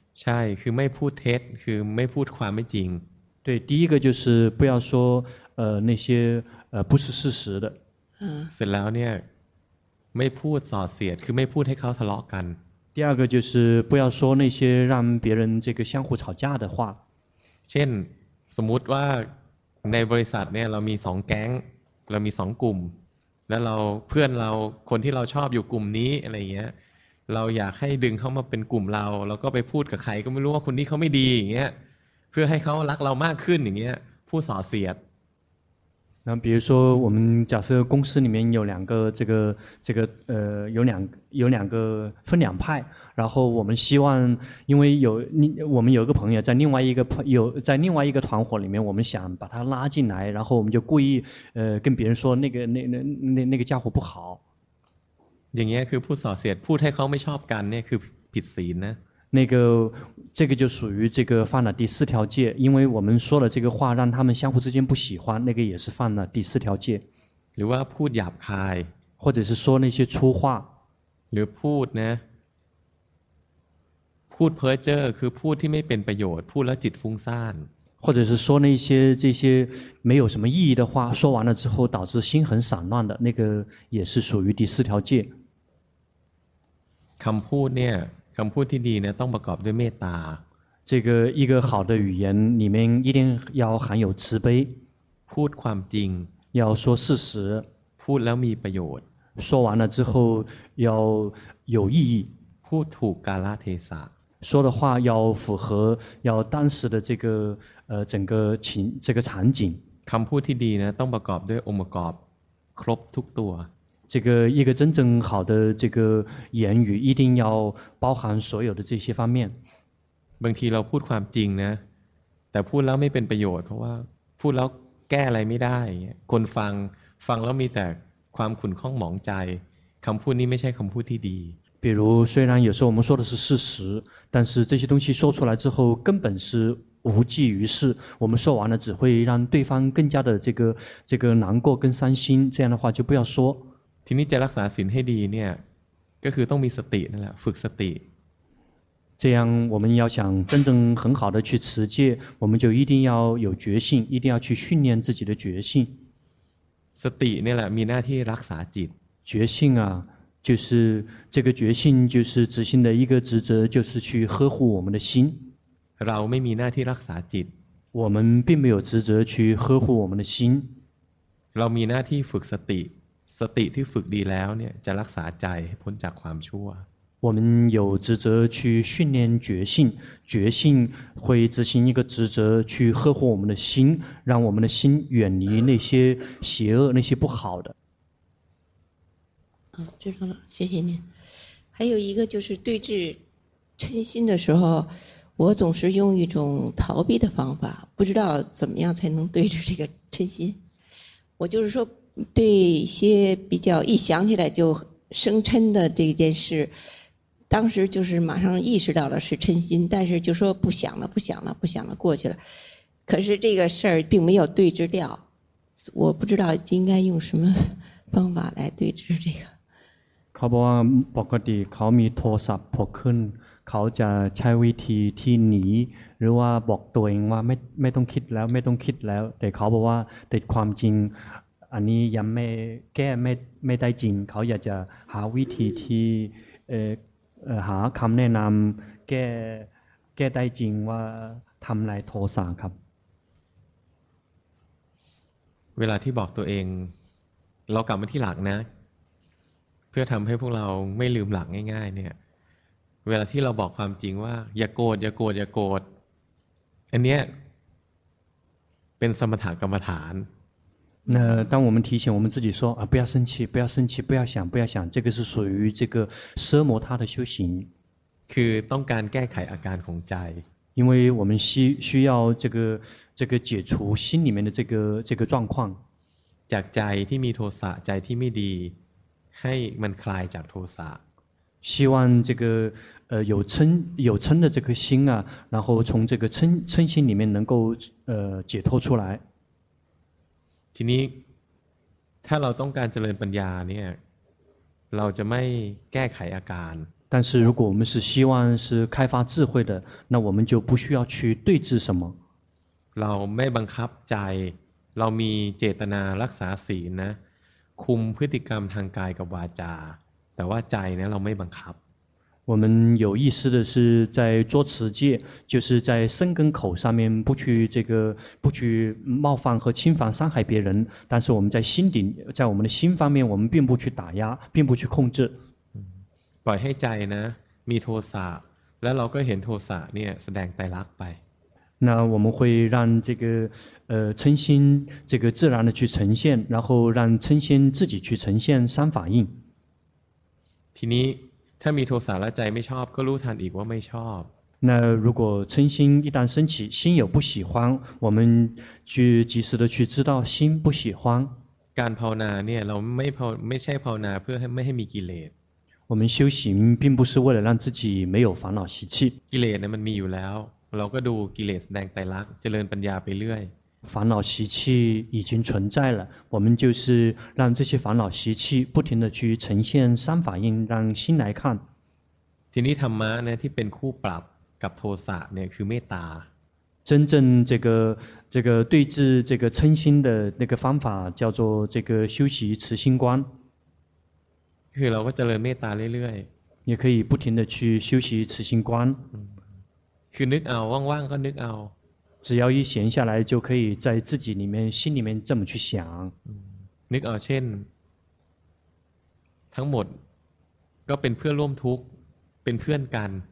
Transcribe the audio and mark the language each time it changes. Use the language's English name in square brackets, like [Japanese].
[Thai] ใช่คือไม่พูดเท็จคือไม่พูดความไม่จริง [Chinese] 对第一个就是不要说那些不是事实的 [Thai] เสร็จแล้วเนี่ยไม่พูดส่อเสียดคือไม่พูดให้เขาทะเลาะกัน [Chinese] 第二个就是不要说那些让别人这个相互吵架的话 [Thai] เช่นสมมุติว่าในบริษัทเนี่ยเรามี2แก๊งเรามี2กลุ่มแล้วเราเพื่อนเราคนที่เราชอบอยู่กลุ่มนี้อะไรอย่างเงี้ยเราอยากให้ดึงเขามาเป็นกลุ่มเราแล้วก็ไปพูดกับใครก็ไม่รู้ว่าคนนี้เขาไม่ดีอย่างเงี้ยเพื่อให้เขารักเรามากขึ้นอย่างเงี้ยพูดส่อเสียด [Chinese] 那比如说我们假设公司里面有两个这个有两个分两派，然后我们希望因为有我们有一个朋友在另外一个有在另外一个团伙里面，我们想把他拉进来，然后我们就故意跟别人说那个家伙不好。 [Thai] อย่างเงี้ยคือพูดส่อเสียดพูดให้เขาไม่ชอบกันเนี่ยคือผิดศีลนะ [Chinese] 那个这个就属于这个犯了第四条戒，因为我们说了这个话让他们相互之间不喜欢，那个也是犯了第四条戒。 [Thai] หรือว่าพูดหยาบคาย [Chinese] 或者是说那些粗话 [Thai] หรือพูดนะพูดเพ้อเจ้อคือพูดที่ไม่เป็นประโยชน์พูดแล้วจิตฟุ้งซ่าน [Chinese] 或者是说那些这些没有什么意义的话说完了之后导致心很散乱的，那个也是属于第四条戒。 [Thai] คำพูดเนี่ยคำพูดที่ดีเนี่ยต้องประกอบด้วยเมตตา [Chinese] 这个一个好的语言里面一定要含有慈悲 [Thai] พูดความจริง [Chinese] 要说事实 [Thai] พูดแล้วมีประโยชน์ [Chinese] 说完了之后要有意义 [Thai] พูดถูกกาลเทศะ [Chinese] 说的话要符合要当时的这个整个情这个场景 [Thai] คำพูดที่ดีเนี่ยต้องประกอบด้วยองค์ประกอบครบทุกตัว [Chinese] 这个一个真正好的这个言语一定要包含所有的这些方面 [Thai] บางทีเราพูดความจริงนะแต่พูดแล้วไม่เป็นประโยชน์เพราะว่าพูดแล้วแก้อะไรไม่ได้คนฟังแล้วมีแต่ความขุ่นข้องหมองใจคำพูดนี้ไม่ใช่คำพูดที่ดี [Chinese] 比如虽然有时候我们说的是事实但是这些东西说出来之后根本是无济于事我们说完了只会让对方更加的这个难过跟伤心这样的话就不要说 [Thai] ทีนี้จะรักษาศีลให้ดีเนี่ยก็คือต้องมีสตินั่นแหละฝึกสติ [Chinese] 这样我们要想真正很好的去持戒我们就一定要有决心一定要去训练自己的决心 [Thai] สตินี่แหละมีหน้าที่รักษาจิต [Chinese] 决心啊就是这个决心就是执行的一个职责就是去呵护我们的心 [Thai] เราไม่มีหน้าที่รักษาจิต [Chinese] 我们并没有职责去呵护我们的心 [Thai] เรามีหน้าที่ฝึกสติสติที่ฝึกดีแล้วเนี่ยจะรักษาใจให้พ้นจากความชั่ว [Chinese] 我们有职责去训练觉性觉性会执行一个职责去呵护我们的心让我们的心远离那些邪恶那些不好的就说了谢谢您还有一个就是对治嗔心的时候我总是用一种逃避的方法不知道怎么样才能对治这个嗔心我就是说对一些比较一想起来就生嗔的这件事当时就是马上意识到了是嗔心但是就说不想了不想了不想了过去了可是这个事儿并没有对治掉我不知道应该用什么方法来对治这个 [Thai] เขาบอกว่าปกติเขามีโทสะพกขึ้นเขาจะใช้วิธีที่หนีหรือว่าบอกตัวเองว่าไม่ต้องคิดแล้วไม่ต้องคิดแล้วแต่เขาบอกว่าแต่ความจริงอันนี้ยังไม่แก้ไม่ได้จริงเขาอยากจะหาวิธีที่หาคำแนะนำแก้ได้จริงว่าทำลายโทสะครับ เวลาที่บอกตัวเองเรากลับมาที่หลักนะเพื่อทำให้พวกเราไม่ลืมหลักง่ายๆเนี่ยเวลาที่เราบอกความจริงว่าอย่าโกรธอย่าโกรธอย่าโกรธอันเนี้ยเป็นสมถกรรมฐาน [Chinese] 那当我们提醒我们自己说啊不要生气不要生气不要想不要想这个是属于这个奢摩他的修行 [Thai] คือต้องการแก้ไขอาการของใจ [Chinese] 因为我们需要这个解除心里面的这个状况 [Thai] จากใจที่มีโทสะใจที่ไม่ดีให้มันคลายจากโทสะ [Chinese] 希望这个有嗔的这颗心啊然后从这个嗔心里面能够解脱出来 [Thai] ทีนี้ถ้าเราต้องการเจริญปัญญาเนี่ยเราจะไม่แก้ไขอาการ [Chinese] 但是如果我们是希望是开发智慧的那我们就不需要去对治什么 [Thai] เราไม่บังคับใจเรามีเจตนารักษาศีลนะคุมพฤติกรรมทางกายกับวาจาแต่ว่าใจนะเราไม่บังคับ [Chinese] 我们有意思的是在做持戒就是在身跟口上面不去这个不去冒犯和侵犯伤害别人但是我们在心底在我们的心方面我们并不去打压并不去控制 [Thai] ปล่อยให้ใจนะมีโทสะแล้วเราก็เห็นโทสะเนี่ยแสดงไตรลักษณ์ไป [Chinese] 那我们会让这个称心这个自然的去呈现，然后让称心自己去呈现三法印。 [Thai] ทีนี้ถ้ามีโทสะและใจไม่ชอบก็รู้ทันอีกว่าไม่ชอบ。 [Chinese] 那如果称心一旦升起，心有不喜欢，我们去及时的去知道心不喜欢。 [Thai] การภาวนาเนี่ยเราไม่ใช่ภาวนาเพื่อให้ไม่ให้มีกิเลส。 [Chinese] 我们修行并不是为了让自己没有烦恼习气。 [Thai] กิเลสเนี่ยมันมีอยู่แล้ว。 เราก็ดูกิเลสแสดงไตรลักษณ์เจริญปัญญาไปเรื่อย [Chinese] 烦恼习气已经存在了我们就是让这些烦恼习气不停的去呈现三法印让心来看 [Thai] ทีนี้ธรรมะเนี่ยที่เป็นคู่ปรับกับโทสะเนี่ยคือเมตตา [Chinese] 真正这个对治这个嗔心的那个方法叫做这个修习慈心观 [Thai] คือเราก็เจริญเมตตาเรื่อย [Chinese] ๆ也可以不停的去修习慈心观 [Thai] คือนึกเอาว่างๆก็นึกเอา [Chinese] 只要一闲下来就可以在自己里面心里面这么去想 [Thai] นึกเอาเช่นทั้งหมดก็เป็นเพื่อนร่วมทุกข์เป็นเพื่อนกัน